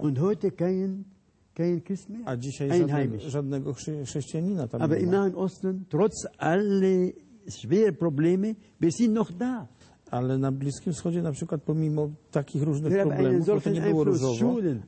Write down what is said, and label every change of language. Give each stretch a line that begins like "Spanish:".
German: Und heute kein Christ mehr.
Polish: A dzisiaj żadnego chrześcijanina tam
German: aber
Polish: nie ma.
German: Aber im Nahen Osten, trotz aller schweren Probleme, wir sind noch da.
Polish: Ale na Bliskim Wschodzie, na przykład, pomimo takich różnych problemów, bo to nie było różowo.